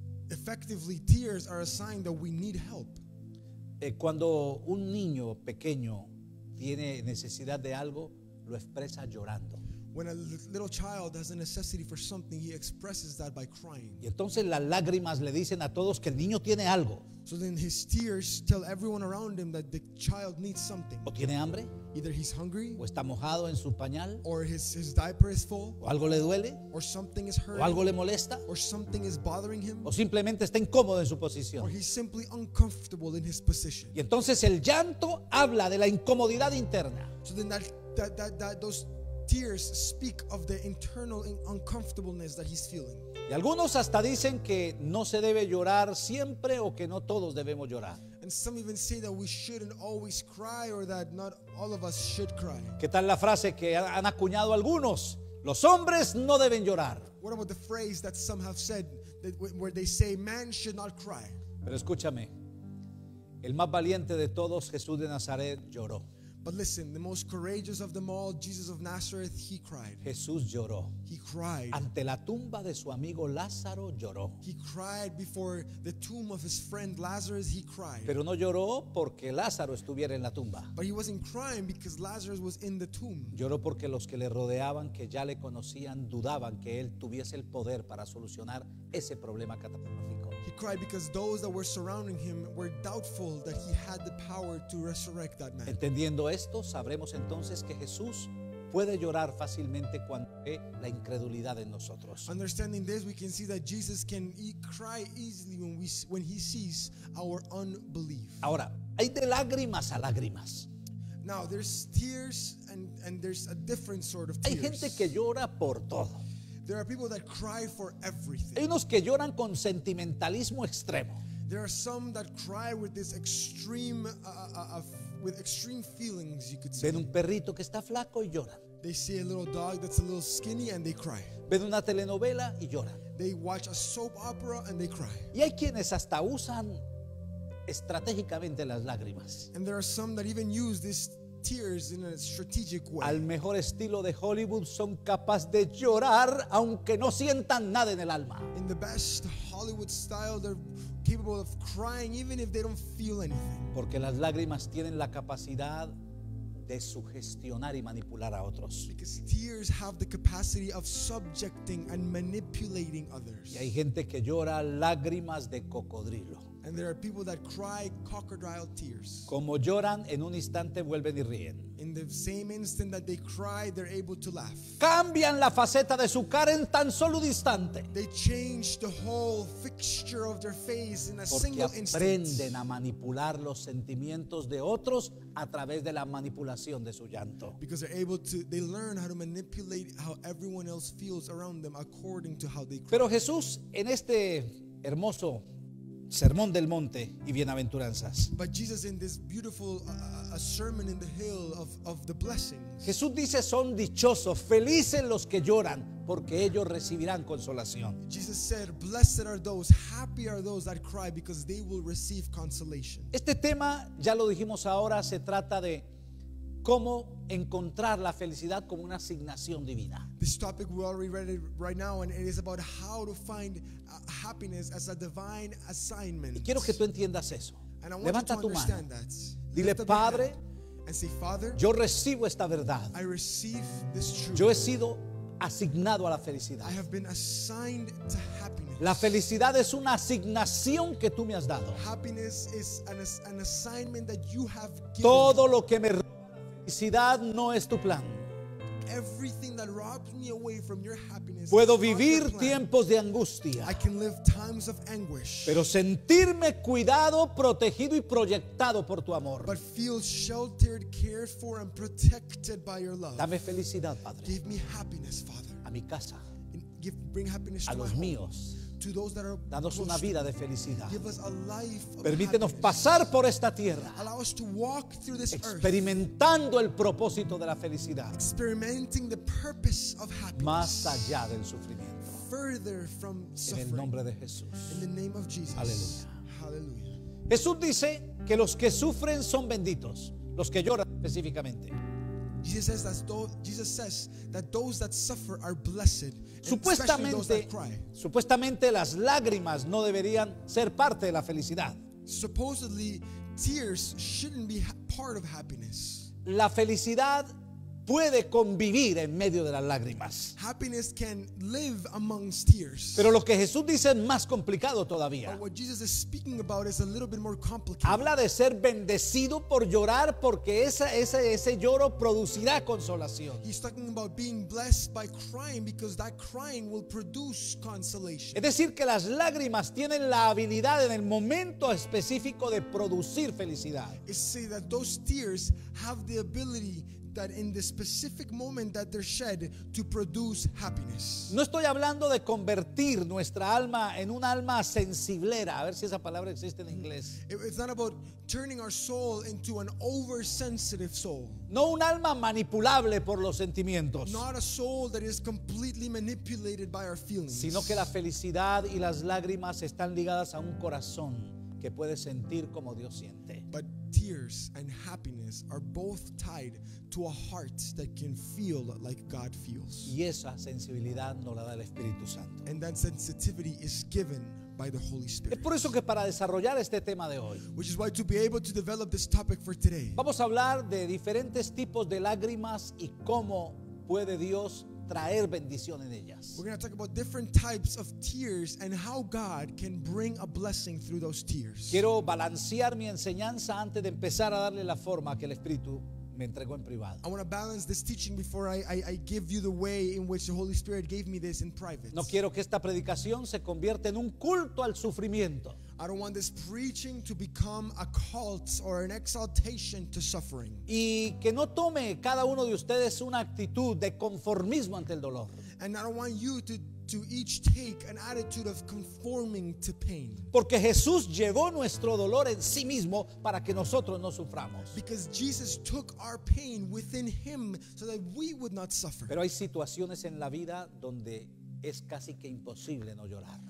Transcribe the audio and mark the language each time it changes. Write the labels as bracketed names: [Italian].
[English] Effectively, tears are a sign that we need help. [Spanish] Cuando un niño pequeño tiene necesidad de algo, lo expresa llorando. [English] When a little child has a necessity for something, he expresses that by crying. [Spanish] Y entonces las lágrimas le dicen a todos que el niño tiene algo. [English] So then his tears tell everyone around him that the child needs something. [Spanish] O tiene hambre. [English] Either he's hungry. [Spanish] O está mojado en su pañal. [English] Or his diaper is full. [Spanish] O algo le duele. [English] Or something is hurting. [Spanish] O algo le molesta. [English] Or something is bothering him. [Spanish] O simplemente está incómodo en su posición. [English] Or he's simply uncomfortable in his position. [Spanish] Y entonces el llanto habla de la incomodidad interna. [English] So then those tears speak of the internal uncomfortableness that he's feeling. [Spanish] Y algunos hasta dicen que no se debe llorar siempre o que no todos debemos llorar. [English] And some even say that we shouldn't always cry or that not all of us should cry. [Spanish] ¿Qué tal la frase que han acuñado algunos? Los hombres no deben llorar. [English] What about the phrase that some have said that where they say man should not cry? [Spanish] Pero escúchame. El más valiente de todos, Jesús de Nazaret, lloró. [English] But listen, the most courageous of them all, Jesus of Nazareth, he cried. [Spanish] Jesús lloró. [English] He cried. [Spanish] Ante la tumba de su amigo Lázaro, lloró. [English] He cried before the tomb of his friend Lazarus, he cried. [Spanish] Pero no lloró porque Lázaro estuviera en la tumba. [English] But he wasn't crying because Lazarus was in the tomb. [Spanish] Lloró porque los que le rodeaban, que ya le conocían, dudaban que él tuviese el poder para solucionar ese problema catastrófico. [English] He cried because those that were surrounding him were doubtful that he had the power to resurrect that man. [Spanish] Entendiendo esto, sabremos entonces que Jesús puede llorar fácilmente cuando ve la incredulidad en nosotros. [English] Understanding this, we can see that Jesus can cry easily when he sees our unbelief. [Spanish] Ahora, hay de lágrimas a lágrimas. [English] Now, there's tears and there's a different sort of tears. [Spanish] Hay gente que llora por todo. [English] There are people that cry for everything. [Spanish] Hay unos que lloran con sentimentalismo extremo. [English] There are some that cry with this extreme with extreme feelings, you could say. [Spanish] Ven un perrito que está flaco y lloran. [English] They see a little dog that's a little skinny and they cry. [Spanish] Ven una telenovela y lloran. [English] They watch a soap opera and they cry. [Spanish] Y hay quienes hasta usan estratégicamente las lágrimas. [English] And there are some that even use this tears in a strategic way. [Spanish] Al mejor estilo de Hollywood son capaces de llorar aunque no sientan nada en el alma. [English] In the best Hollywood style, they're capable of crying even if they don't feel anything. [Spanish] Porque las lágrimas tienen la capacidad de sugestionar y manipular a otros. [English] Because tears have the capacity of subjecting and manipulating others. [Spanish] Y hay gente que llora lágrimas de cocodrilo. [English] And there are people that cry crocodile tears. [Spanish] Como lloran, en un instante vuelven y ríen. [English] In the same instant that they cry, they're able to laugh. [Spanish] Cambian la faceta de su cara en tan solo un instante. [English] They change the whole fixture of their face in a [Spanish] Porque [English] single instant. [Spanish] Porque aprenden a manipular los sentimientos de otros a través de la manipulación de su llanto. [English] Because they're able to, they learn how to manipulate how everyone else feels around them according to how they cry. [Spanish] Pero Jesús, en este hermoso Sermón del Monte y Bienaventuranzas. [English] But Jesus in this beautiful sermon in the hill of the blessings. [Spanish] Jesús dice son dichosos, felices los que lloran, porque ellos recibirán consolación. [English] Jesus said, blessed are those, happy are those that cry because they will receive consolation. [Spanish] Este tema, ya lo dijimos ahora, se trata de cómo encontrar la felicidad como una asignación divina. [English] This topic we already read it right now, and it is about how to find happiness as a divine assignment. [Spanish] Y quiero que tú entiendas eso. [English] And I want [Spanish] Levanta [English] you to [Spanish] tu [English] understand [Spanish] mano. [English] That. [Spanish] Dile, Padre, [English] and say, Father, [Spanish] yo recibo esta verdad. [English] I receive this truth. [Spanish] Yo he sido asignado a la felicidad. [English] I have been assigned to happiness. [Spanish] La felicidad es una asignación que tú me has dado. [English] Happiness is an assignment that you have given. [Spanish] Todo lo que me felicidad no es tu plan. [English] Everything that robs me away from your happiness. [Spanish] Puedo vivir tiempos de angustia. [English] I can live times of anguish. [Spanish] Pero sentirme cuidado, protegido y proyectado por tu amor. [English] But feel sheltered, cared for and protected by your love. [Spanish] Dame felicidad, Padre. [English] Give me happiness, Father. [Spanish] A mi casa. [English] Bring happiness [Spanish] a [English] to [Spanish] los míos. [English] To those that are [Spanish] danos una vida de felicidad. [English] Give us a life of [Spanish] permítenos [English] happiness. [Spanish] Pasar por esta tierra. [English] Allow us to walk through this [Spanish] experimentando [English] earth, [Spanish] el propósito de la felicidad. [English] Experimenting the purpose of happiness. [Spanish] Más allá del sufrimiento. [English] further from suffering. [Spanish] En el nombre de Jesús. [English] In the name of Jesus. [Spanish] Aleluya. [English] Hallelujah. [Spanish] Jesús dice que los que sufren son benditos, los que lloran específicamente. [English] Jesus says that those that suffer are blessed. [Spanish] Supuestamente las lágrimas no deberían ser parte de la felicidad. [English] Supposedly, tears shouldn't be part of happiness. [Spanish] La felicidad puede convivir en medio de las lágrimas. [English] Happiness can live amongst tears. [Spanish] Pero lo que Jesús dice es más complicado todavía. [English] But what Jesus is speaking about is a little bit more complicated. [Spanish] Habla de ser bendecido por llorar, porque ese lloro producirá consolación. [English] He's talking about being blessed by crying because that crying will produce consolation. [Spanish] Es decir, que las lágrimas tienen la habilidad en el momento específico de producir felicidad. [English] It's saying that those tears have the ability that in the specific moment that they're shed to produce happiness. [Spanish] No estoy hablando de convertir nuestra alma en un alma sensiblera. A ver si esa palabra existe en inglés. [English] It's not about turning our soul into an oversensitive soul. [Spanish] No un alma manipulable por los sentimientos. [English] Not a soul that is completely manipulated by our feelings. [Spanish] Sino que la felicidad y las lágrimas están ligadas a un corazón que puede sentir como Dios siente. [English] But tears and happiness are both tied to a heart that can feel like God feels. [Spanish] Y esa sensibilidad no la da el Espíritu Santo. [English] And that sensitivity is given by the Holy Spirit. [Spanish] Es por eso que para desarrollar este tema de hoy, [English] which is why to be able to develop this topic for today, [Spanish] vamos a hablar de diferentes tipos de lágrimas y cómo puede Dios traer bendición en ellas. [English] We're going to talk about different types of tears and how God can bring a blessing through those tears. [Spanish] Quiero balancear mi enseñanza antes de empezar a darle la forma que el Espíritu me entregó en privado. [English] I want to balance this teaching before I give you the way in which the Holy Spirit gave me this in private. [Spanish] No quiero que esta predicación se convierta en un culto al sufrimiento. [English] I don't want this preaching to become a cult or an exaltation to suffering. [Spanish] Y que no tome cada uno de ustedes una actitud de conformismo ante el dolor. [English] And I don't want you to each take an attitude of conforming to pain. [Spanish] Porque Jesús llevó nuestro dolor en sí mismo para que nosotros no suframos. [English] Because Jesus took our pain within him so that we would not suffer. [Spanish] Pero hay situaciones en la vida donde es casi que imposible no llorar.